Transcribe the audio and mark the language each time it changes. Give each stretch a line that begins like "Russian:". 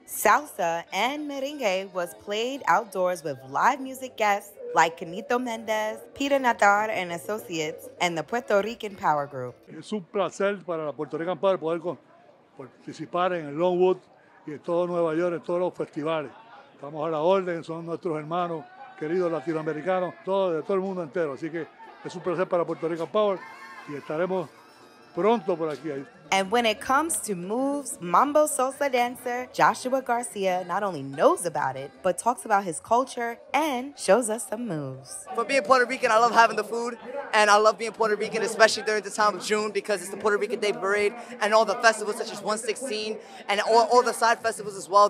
English: Salsa and merengue was played outdoors with live music guests like Kenito Mendez, Peter Natar and Associates, and the Puerto Rican Power Group. It's a pleasure for the Puerto Rican Power to participate in Longwood and all of New York and all the festivals.
Spanish: Estamos a la orden, son nuestros hermanos, queridos latinoamericanos, todos de todo el mundo entero. Así que es un placer para Puerto Rican Power y estaremos pronto por aquí.
English: And when it comes to moves, Mambo Salsa dancer Joshua Garcia not only knows about it, but talks about his culture and shows us some moves. For being Puerto Rican, I love having the food, and I love being Puerto Rican, especially during the time of June, because it's the Puerto Rican Day Parade and all the festivals such as 116 and all the side festivals as well.